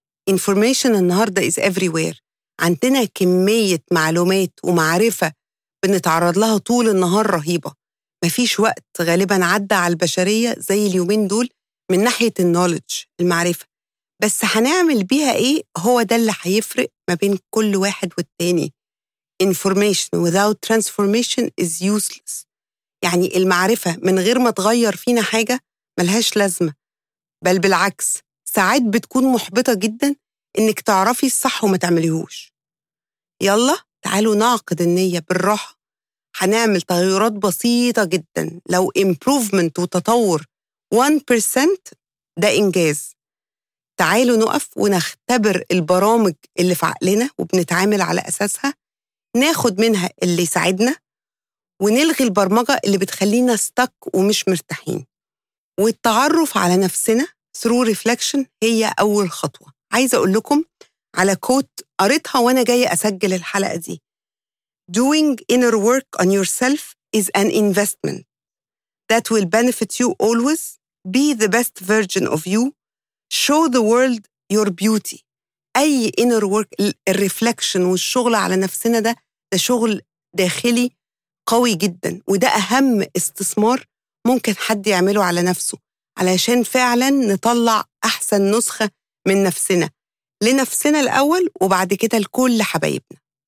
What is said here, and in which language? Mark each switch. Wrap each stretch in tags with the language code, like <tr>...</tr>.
<en>Information</en> <ar>النهاردة</ar> <en>is everywhere.</en> <ar>عندنا كمية معلومات ومعرفة بنتعرض لها طول النهار رهيبة، مفيش وقت غالباً عدى على البشرية زي اليومين دول من ناحية النولج، المعرفة، بس هنعمل بيها ايه هو ده اللي هيفرق ما بين كل واحد والتاني.</ar> <en>Information without transformation is useless.</en> <ar>يعني المعرفة من غير ما تغير فينا حاجة ملهاش لازمة، بل بالعكس ساعات بتكون محبطة جدا انك تعرفي الصح وما تعمليهوش. يلا تعالوا نعقد النية بالراحة، هنعمل تغيرات بسيطة جدا، لو</ar> <en>improvement</en> <ar>وتطور 1% ده انجاز. تعالوا نقف ونختبر البرامج اللي في عقلنا وبنتعامل على أساسها، ناخد منها اللي يساعدنا ونلغي البرمجة اللي بتخلينا ستك ومش مرتاحين. والتعرف على نفسنا</ar> <en>through reflection</en> <ar>هي أول خطوة. عايزة أقول لكم على كوت قريتها وأنا جاي أسجل الحلقة دي:</ar> <en>Doing inner work on yourself is an investment that will benefit you always. Be the best version of you. Show the world your beauty.</en> <ar>أي</ar> <en>inner work،</en> <ar>الreflection والشغل على نفسنا ده شغل داخلي قوي جدا، وده أهم استثمار ممكن حد يعمله على نفسه علشان فعلا نطلع أحسن نسخة من نفسنا، لنفسنا الأول وبعد كده لكل حبايبنا.</ar>